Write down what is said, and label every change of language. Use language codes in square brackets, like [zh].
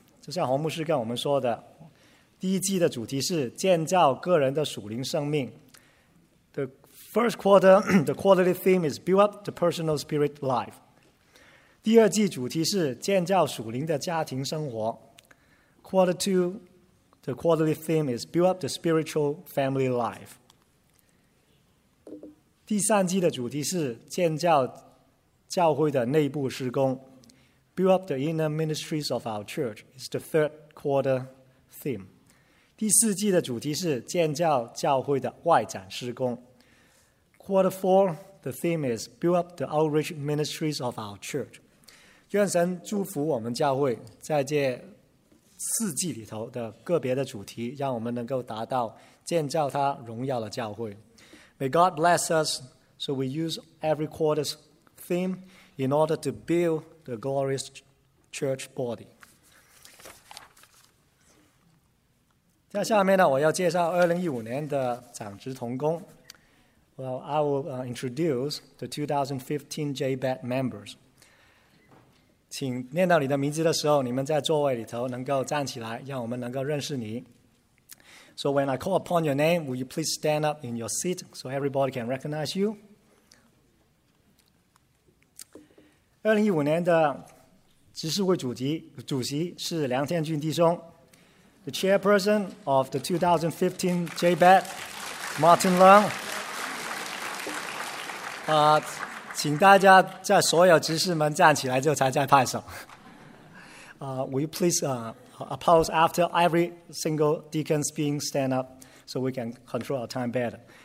[zh] 就像洪牧师跟我们说的，第一季的主题是建造个人的属灵生命。 [en] The first quarter, the quarterly theme is build up the personal spirit life. [zh] 第二季主题是建造属灵的家庭生活。 [en] Quarter two, the quarterly theme is build up the spiritual family life. [zh] 第三季的主题是建造教会的内部事工。 [en] Build up the inner ministries of our church is the third quarter theme. [zh] 第四季的主题是建造教会的外展事工。 [en] Quarter four, the theme is build up the outreach ministries of our church. [zh] 愿神祝福我们教会在这四季里头的个别的主题，让我们能够达到建造他荣耀的教会。 [en] May God bless us so we use every quarter's theme in order to build the glorious church body. [zh] 在下面呢，我要介绍2015年的长职同工。 [en] Well, I will introduce the 2015 JBAT members. [zh] 请念到你的名字的时候，你们在座位里头能够站起来，让我们能够认识你。 [en] So when I call upon your name, will you please stand up in your seat so everybody can recognize you? [zh] 2015年的执事会主席是梁天俊弟兄。 [en] The chairperson of the 2015 JBAT, Martin Leung. [zh] 请大家在所有执事们站起来之后才再拍手。 [en] Will you please applause after every single deacon's being stand up so we can control our time better.